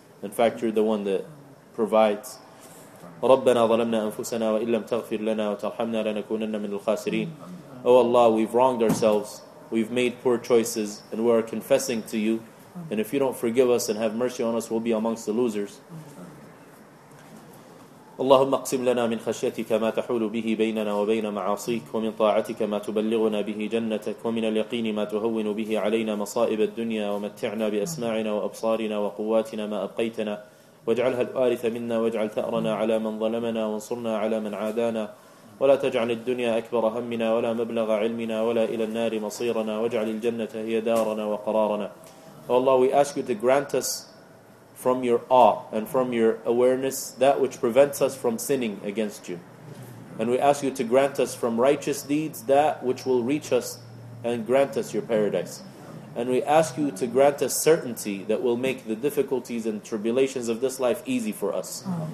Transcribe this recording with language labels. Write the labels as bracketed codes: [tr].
[en] In fact, you're the one that provides. [ar] رَبَّنَا ظَلَمْنَا أَنفُسَنَا وَإِن لَّمْ تَغْفِرْ لَنَا وَتَرْحَمْنَا لَنَكُونَنَّ مِنَ الْخَاسِرِينَ. [en] Oh Allah, we've wronged ourselves, we've made poor choices, and we are confessing to you. And if you don't forgive us and have mercy on us, we'll be amongst the losers. [ar] اللهم اقسم لنا من خشيتك ما تحول به بيننا وبين معاصيك ومن طاعتك ما تبلغنا به جنتك ومن اليقين ما تهون به علينا مصائب الدنيا ومتعنا بأسماعنا وأبصارنا وقواتنا ما أبقيتنا واجعلها الوارث منا واجعل ثأرنا على من ظلمنا وانصرنا على من عادانا ولا تجعل الدنيا أكبر همنا ولا مبلغ علمنا ولا إلى النار مصيرنا واجعل الجنة هي دارنا وقرارنا. [en] Oh Allah, we ask you to grant us from your awe and from your awareness that which prevents us from sinning against you. And we ask you to grant us from righteous deeds that which will reach us and grant us your paradise. And we ask you to grant us certainty that will make the difficulties and tribulations of this life easy for us.